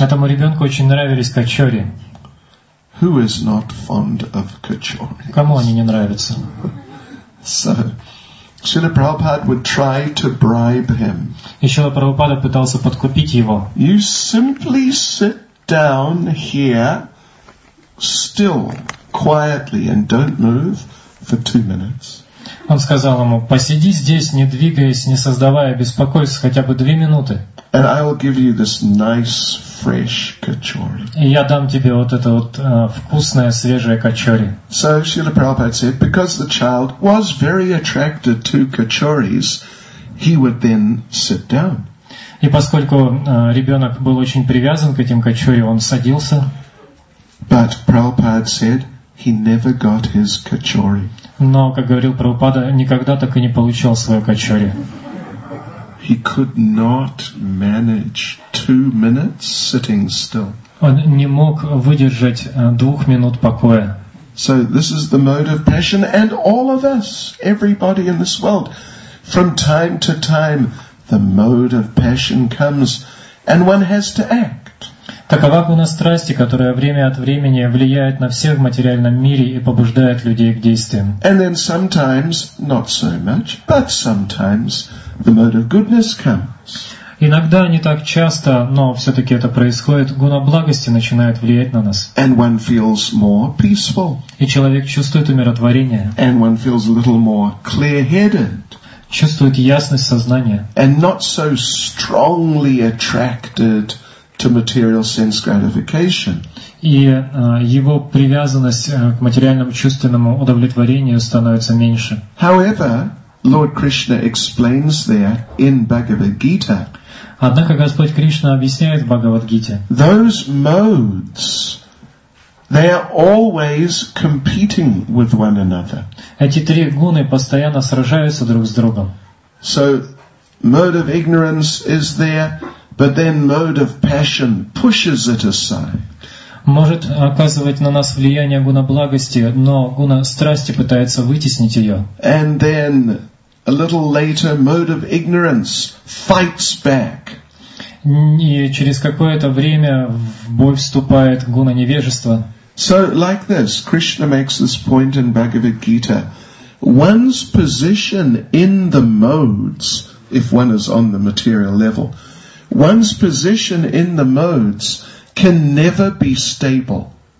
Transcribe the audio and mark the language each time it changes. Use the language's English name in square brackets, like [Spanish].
[Russian] Этому ребенку очень нравились качори. [English] Who is not fond of kachoris? [Russian] Кому они не нравятся? [English] So, Srila Prabhupada would try to bribe him. [Russian] И Шрила Прабхупада пытался подкупить его. [English] You simply sit down here still, quietly, and don't move for 2 minutes. [Russian] Он сказал ему, посиди здесь, не двигаясь, не создавая беспокойств, хотя бы 2 минуты. [English] And I will give you this nice fresh kachori. [Russian] И я дам тебе вот это вот вкусное свежее кочори. [English] So Srila Prabhupada said, because the child was very attracted to kachoris, he would then sit down. [Russian] И поскольку ребенок был очень привязан к этим кочори, он садился. [English] But Prabhupada said he never got his kachori. [Russian] Но, как говорил Прабхупада, никогда так и не получил свое кочори. [English] He could not manage 2 minutes sitting still. [Russian] Он не мог выдержать 2 минут покоя. [English] So this is the mode of passion, and all of us, everybody in this world, from time to time, the mode of passion comes, and one has to act. [Russian] Такова гуна страсти, которая время от времени влияет на всех в материальном мире и побуждает людей к действиям. [English] And then sometimes, not so much, but sometimes, the mode of goodness comes. [Russian] Иногда не так часто, но все-таки это происходит. Гуна благости начинает влиять на нас. [English] And one feels more peaceful. [Russian] И человек чувствует умиротворение. [English] And one feels a little more clear-headed. [Russian] Чувствует ясность сознания. [English] And not so strongly attracted to material sense gratification. [Russian] И его привязанность к материальному чувственному удовлетворению становится меньше. [English] However, Lord Krishna explains there in Bhagavad Gita. [Russian] Однако Господь Кришна объясняет в Бхагавад Гите. [English] Those modes, they are always competing with one another. [Russian] Эти три гуны постоянно сражаются друг с другом. [English] So, mode of ignorance is there, but then mode of passion pushes it aside. [Russian] Может оказывать на нас влияние гуна благости, но гуна страсти пытается вытеснить ее. [English] And then a little later, mode of ignorance fights back. [Russian] И через какое-то время в бой вступает гуна невежества. [English] So like this, Krishna makes this point in Bhagavad Gita. One's position in the modes, if one is on the material level, one's position in the modes can never be stable.